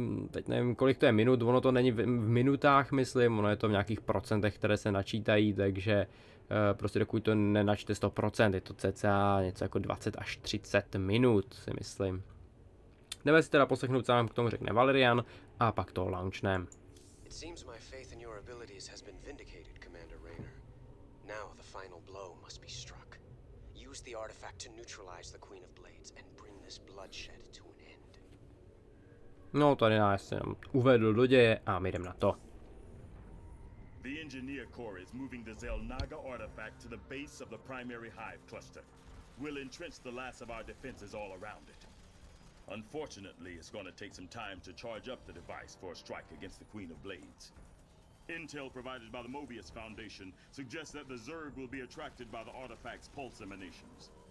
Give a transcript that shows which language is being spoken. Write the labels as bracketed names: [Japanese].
[Czech] Teď nevím, kolik to je minut, ono to není v minutách, myslím, ono je to v nějakých procentech, které se načítají, takže prostě dokud to nenačte 100%, je to cca něco jako 20 až 30 minut, si myslím. Jdeme si teda poslechnout, co nám k tomu řekne Valyrian a pak to launchnem. [English] It seems my faith in your abilities has been vindicated, Commander Raynor. Now the final blow must be struck. Use the artifact to neutralize the Queen of Blades and bring this bloodshed to an end. [Czech] No, tady nás jsem uvedl do děje a my jdeme na to. [English] The Engineer Corps is moving the Zelnaga artifact to the base of the primary hive cluster. We'll entrench the last of our defenses all around it. Unfortunately, it's going to take some time to charge up the device for a strike against the Queen of Blades. Intel provided by the Mobius Foundation suggests that the Zerg will be attracted by the artifact's pulse emanations.